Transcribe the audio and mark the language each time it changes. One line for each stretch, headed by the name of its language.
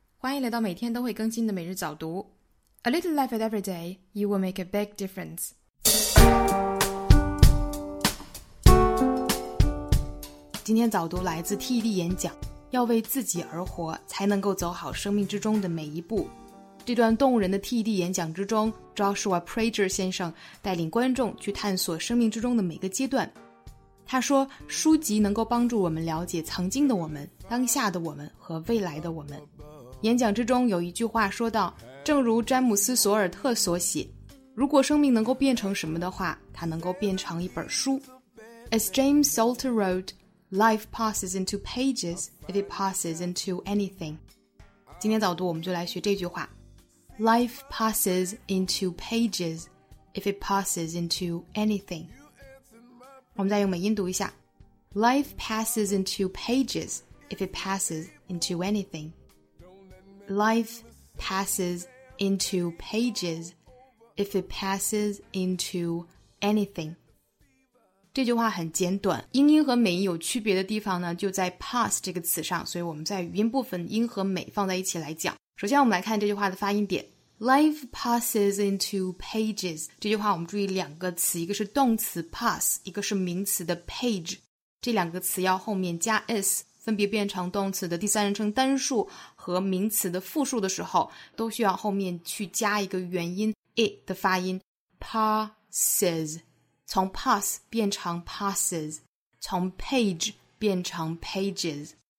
Chinese: 欢迎来到每天都会更新的每日早读。
English: A little life at every day, you will make a big difference.
Chinese: 今天早读来自 TED 演讲，要为自己而活，才能够走好生命之中的每一步。这段动人的 TED 演讲之中， Joshua Prager 先生带领观众去探索生命之中的每个阶段。他说，书籍能够帮助我们了解曾经的我们、当下的我们和未来的我们。演讲之中有一句话说道，正如詹姆斯·索尔特所写，如果生命能够变成什么的话，它能够变成一本书。
English: As James Salter wrote, Life passes into pages if it passes into anything.
Chinese: 今天早读我们就来学这句话，
English: Life passes into pages if it passes into anything.
Chinese: 我们再用美音读一下，
English: Life passes into pagesIf it passes into anything. Life passes into pages if it passes into anything.
Chinese: 这句话很简短，英音和美音有区别的地方呢，就在 pass 这个词上，所以我们在语音部分英和美放在一起来讲。首先我们来看这句话的发音点，
English: Life passes into pages.
Chinese: 这句话我们注意两个词，一个是动词 pass， 一个是名词的 page， 这两个词要后面加 s，分别变成动词的第三人称单数和名词的复数的时候，都需要后面去加一个元音 it 的发音 passes， 从 pass 变成 passes， 从 page 变成 pages。